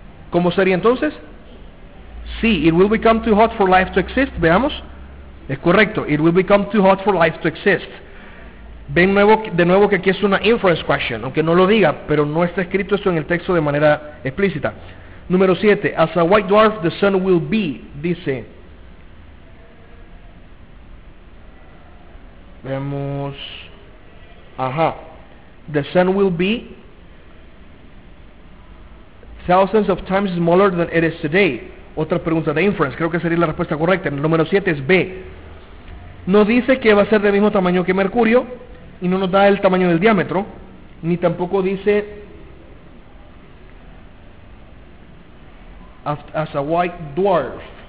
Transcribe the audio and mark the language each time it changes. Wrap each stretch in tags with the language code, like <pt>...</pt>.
<es>¿Cómo sería entonces? Sí,</es> <en>it will become too hot for life to exist.</en> <es>Veamos. Es correcto.</es> <en>It will become too hot for life to exist.</en> <es>Ven de nuevo que aquí es una inference question, aunque no lo diga, pero no está escrito esto en el texto de manera explícita. Número 7.</es> <en>As a white dwarf, the sun will be, dice.</en> <es>Vemos. Ajá.</es> <en>The sun will be thousands of times smaller than it is today.</en> <es>Otra pregunta de inference. Creo que sería la respuesta correcta. El número 7 es B. No dice que va a ser del mismo tamaño que Mercurio, y no nos da el tamaño del diámetro, ni tampoco dice</es> <en>as a white dwarf.</en>